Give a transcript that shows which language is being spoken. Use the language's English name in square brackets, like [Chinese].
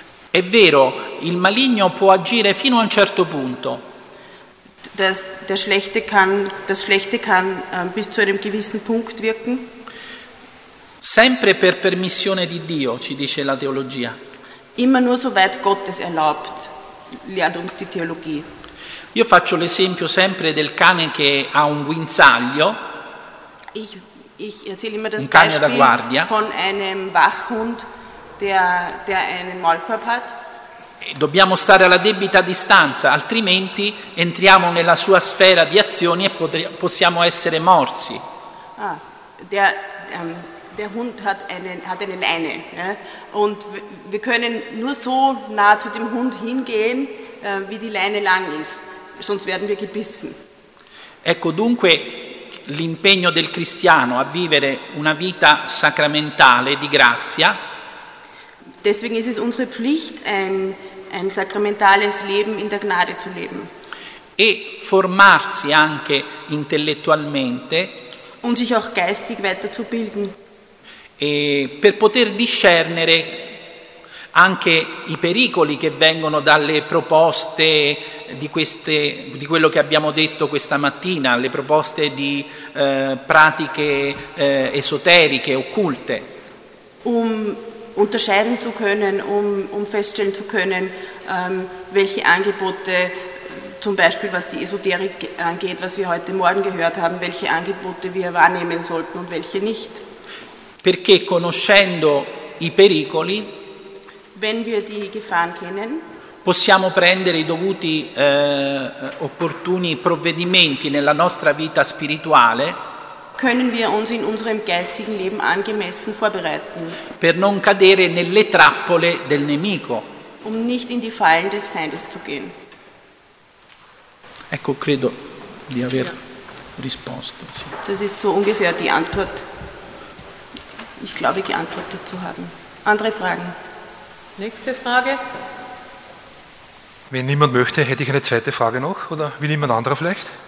[Italian] È vero, il maligno può agire fino a un certo punto. [German] Das Schlechte kann bis zu einem gewissen Punkt wirken. [Italian] Sempre per permissione di Dio, ci dice la teologia. [German] Immer nur soweit Gott es erlaubt, lehrt uns die Theologie. [Italian] Io faccio l'esempio sempre del cane che ha un guinzaglio. [German] Ich erzähle immer das Beispiel von einem Wachhund, der einen Maulkorb hat. [Italian] Dobbiamo stare alla debita distanza, altrimenti entriamo nella sua sfera di azioni e possiamo essere morsi. [German] Der Hund hat eine Leine, ja? Und wir können nur so nah zu dem Hund hingehen, wie die Leine lang ist, sonst werden wir gebissen. [Italian] Ecco dunque l'impegno del cristiano a vivere una vita sacramentale di grazia. [German] Deswegen ist es unsere Pflicht, ein sacramentales Leben in der Gnade zu leben. [Italian] E formarsi anche intellettualmente. [German] Und sich auch geistig weiterzubilden. [Italian] E per poter discernere anche i pericoli che vengono dalle proposte di quello che abbiamo detto questa mattina, le proposte di pratiche esoteriche, occulte. [German] Unterscheiden zu können, feststellen zu können, welche Angebote, zum Beispiel was die Esoterik angeht, was wir heute Morgen gehört haben, welche Angebote wir wahrnehmen sollten und welche nicht. [Italian] Perché conoscendo i pericoli, [German] wenn wir die Gefahren kennen, [Italian] possiamo prendere i dovuti opportuni provvedimenti nella nostra vita spirituale, [German] können wir uns in unserem geistigen Leben angemessen vorbereiten? [Italian] Per non cadere nelle trappole del nemico. [German] Um nicht in die Fallen des Feindes zu gehen. [Italian] Ecco, credo di aver risposto. Sì. [German] Das ist so ungefähr die Antwort. Ich glaube, geantwortet zu haben. Andere Fragen? Nächste Frage. Wenn niemand möchte, hätte ich eine zweite Frage noch. Oder will jemand anderer vielleicht?